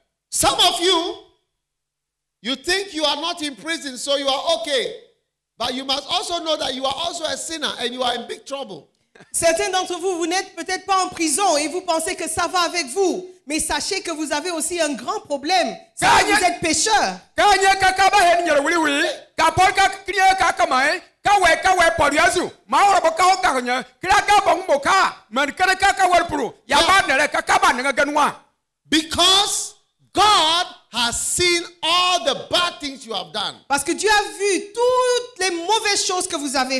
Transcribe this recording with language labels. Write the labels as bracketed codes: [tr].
[en] Some of you think you are not in prison, so you are okay. But you must also know that you are also a sinner and you are in big trouble. [fr] Certains d'entre vous, vous n'êtes peut-être pas en prison et vous pensez que ça va avec vous. Mais sachez que vous avez aussi un grand problème. Vous êtes pécheurs. [en] Because God has seen all the bad things you have done. [fr] Parce que Dieu a vu toutes les mauvaises choses que vous avez